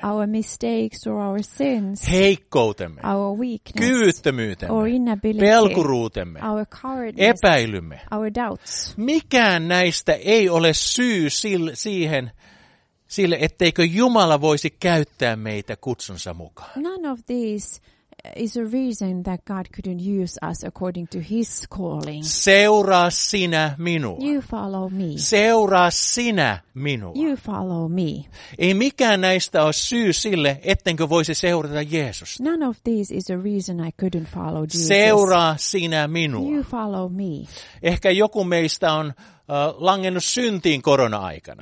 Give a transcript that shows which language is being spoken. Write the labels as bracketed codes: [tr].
[en] Our mistakes or our sins. [fi] Heikkoutemme. [en] Our weakness. [fi] Kyvyttömyytemme. [en] Or inability. [fi] Pelkuruutemme. [en] Our cowardice. [fi] Epäilymme. [en] Our doubts. [fi] Mikään näistä ei ole syy siihen, sille, etteikö Jumala voisi käyttää meitä kutsunsa mukaan. [en] None of these is a reason that God couldn't use us according to his calling. [fi] Seuraa sinä minua. [en] You follow me. [fi] Seuraa sinä minua. [en] You follow me. [fi] Ei mikään näistä ole syy sille, ettenkö voisi seurata Jeesusta. [en] None of these is a reason I couldn't follow Jesus. [fi] Seuraa sinä minua. [en] You follow me. [fi] Ehkä joku meistä on langennut syntiin korona-aikana.